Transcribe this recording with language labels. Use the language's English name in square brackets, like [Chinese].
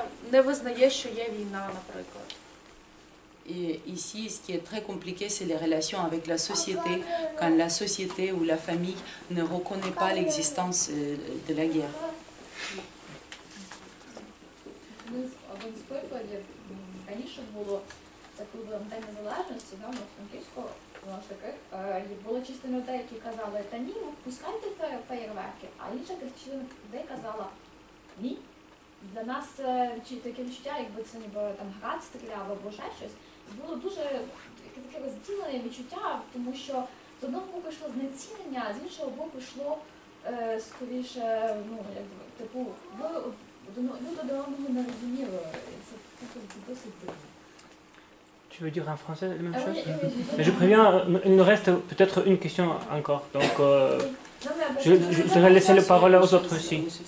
[Ukrainian] не визнає, що є війна, наприклад. [French] Et ici, ce qui est très compliqué, c'est les relations avec la société, quand la société ou la famille ne reconnaît pas l'existence de la guerre. [Ukrainian] Для нас таке відчуття, якби це ніби там град стріляв або ще щось, було дуже таке розділене відчуття, тому що з одного боку йшло знецінення, а з іншого боку йшло скоріше, ну як типу, люди до одного не розуміли. Це досить дивно. [French] Tu veux dire en français la même chose? Je préviens, il nous reste peut-être une question encore. Donc, je vais laisser la parole aux autres aussi.